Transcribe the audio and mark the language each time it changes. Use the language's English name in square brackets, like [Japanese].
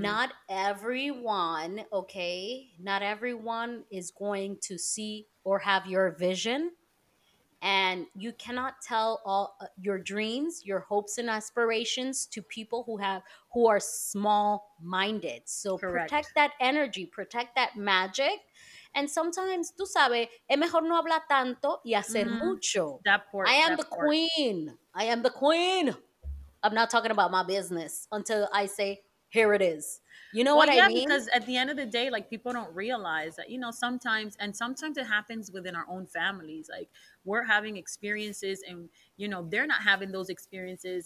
[English] Not everyone is going to see or have your vision. And you cannot tell all your dreams, your hopes and aspirations to people who are small minded. So protect that energy, protect that magic. And sometimes, [Spanish] tú sabes, es mejor no hablar tanto y hacer mucho. [English] Queen. I am the queen. I'm not talking about my business until I say, here it is. You know what I mean? Because at the end of the day, like, people don't realize that, you know, sometimes it happens within our own families. Like, we're having experiences and, you know, they're not having those experiences.